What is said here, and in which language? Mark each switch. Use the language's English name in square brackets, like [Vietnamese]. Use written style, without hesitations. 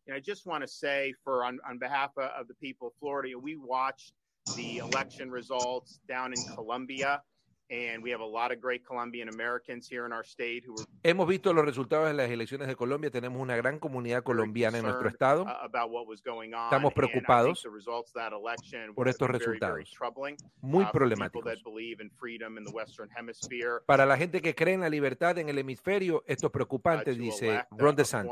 [English] I just want to say, on behalf of the people of Florida, we watched the election results down in Colombia, and we have a lot of great Colombian Americans here in our state who were. [Spanish] Hemos visto los resultados de las elecciones de Colombia. Tenemos una gran comunidad colombiana en nuestro estado. [English] About what was going on. [Spanish] Estamos preocupados [English] the results of that election [Spanish] por estos resultados. [English] Very, very [Spanish] muy problemáticos. [English] People that believe in freedom in the Western Hemisphere. [Spanish] Para la gente que cree en la libertad en el hemisferio, esto es preocupante, dice Ron DeSantis.